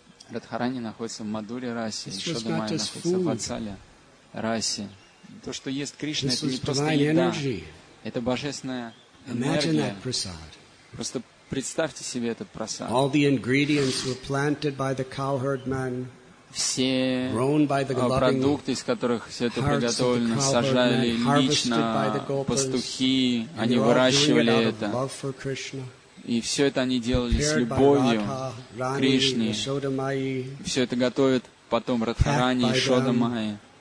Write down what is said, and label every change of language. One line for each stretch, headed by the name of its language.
Russian: Радхарани находится в Мадуре Расе, Шодамай находится в Ватсале Расе. То, что ест Кришна, это не просто еда. Это божественная энергия. Просто представьте себе этот просад.
English: All the ingredients were planted by the cowherd man.
Russian: Все продукты, из которых все это приготовлено, сажали лично пастухи, они выращивали это. И все это они делали с любовью к Кришне. Все это готовят потом Радхарани и Шодамайи.